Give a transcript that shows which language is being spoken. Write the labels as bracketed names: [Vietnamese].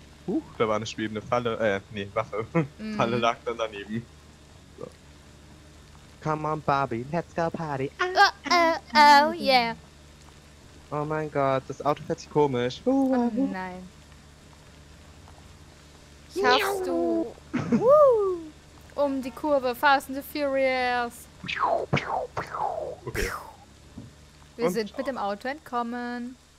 [German] Huch, da war eine schwebende Falle, Waffe. Mm. Falle lag dann daneben. So. [English] Come on, Bobby, let's go party. Oh, yeah. [German] Oh mein Gott, das Auto fährt sich komisch. Oh nein. Schaffst du, woo, um die Kurve, Fast and the Furious. Okay. Wir sind mit dem Auto entkommen.